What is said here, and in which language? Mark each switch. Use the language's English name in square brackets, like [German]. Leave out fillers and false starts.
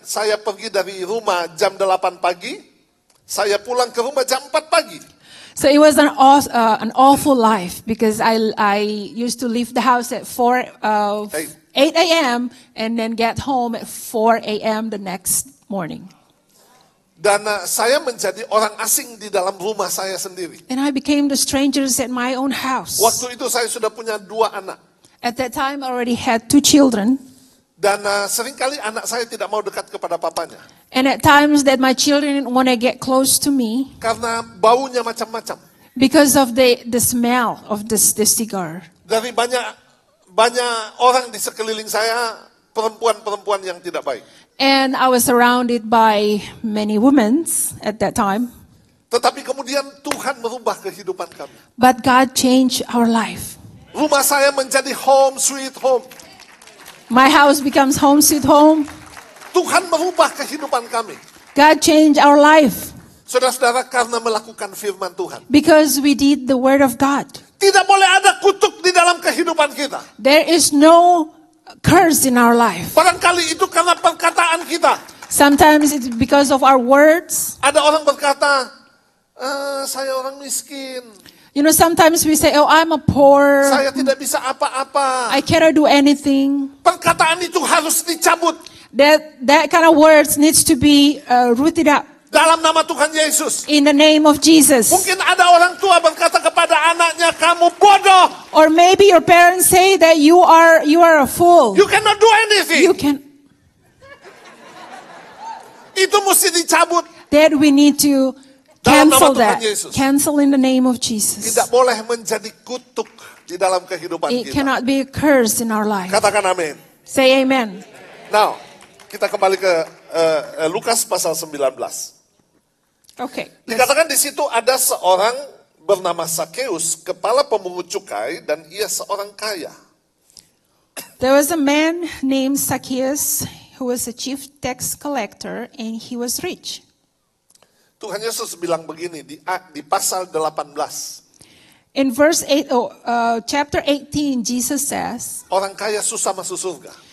[Indonesian] Saya pergi dari rumah jam 8 pagi. Saya pulang ke rumah jam 4 pagi. [English] So it was an awful life because I used to leave the house at 8 a.m. and then get home at 4 a.m. the next morning. [Indonesian] Dan saya menjadi orang asing di dalam rumah saya sendiri. [English] And I became the strangers at my own house. [Indonesian] Waktu itu saya sudah punya 2 anak. [English] At that time I already had 2 children. [Indonesian] Dan seringkali anak saya tidak mau dekat kepada papanya. [English] And at times that my children didn't want to get close to me. [Indonesian] Karena baunya macam-macam. [English] Because of the smell of the cigar. [Indonesian] Dari banyak orang di sekeliling saya, perempuan-perempuan yang tidak baik. [English] And I was surrounded by many women at that time. [Indonesian] Tetapi kemudian Tuhan merubah kehidupan kami. [English] But God changed our life. [Indonesian] Rumah saya menjadi [English] home sweet home. My house becomes home sweet home. [Indonesian] Tuhan merubah kehidupan kami. [English] God changed our life. [Indonesian] Saudara-saudara, karena melakukan firman Tuhan. [English] Because we did the word of God. [Indonesian] Tidak boleh ada kutuk di dalam kehidupan kita. [English] There is no curse in our life. [Indonesian] Barangkali itu karena perkataan kita. [English] Sometimes it's because of our words. [Indonesian] Ada orang berkata, saya orang miskin. [English] You know, sometimes we say, oh, I'm a poor. [Indonesian] Saya tidak bisa apa-apa. [English] I cannot do anything. [Indonesian] Perkataan itu harus dicabut. [English] That kind of words needs to be rooted up. [Indonesian] Dalam nama Tuhan Yesus. [English] In the name of Jesus. [Indonesian] Mungkin ada orang tua berkata kepada anaknya, kamu bodoh. [English] Or maybe your parents say that you are a fool. You cannot do anything. You can. [Indonesian] Itu mesti dicabut. [English] That we need to cancel that. [Indonesian] Yesus. [English] Cancel in the name of Jesus. [Indonesian] Tidak boleh menjadi kutuk di dalam kehidupan [English] it It cannot be a curse in our life. [Indonesian] Katakan amin. [English] Say amen. Now, [Indonesian] kita kembali ke Lukas pasal 19. [English] Okay. [Indonesian] Dikatakan di situ ada seorang bernama Zakheus, kepala pemungut cukai, dan ia seorang kaya. [English] There was a man named Zakheus who was a chief tax collector and he was rich. [Indonesian] Tuhan Yesus bilang begini di pasal 18. [English] In verse 8, chapter 18, Jesus says, [Indonesian] orang kaya susah masuk surga.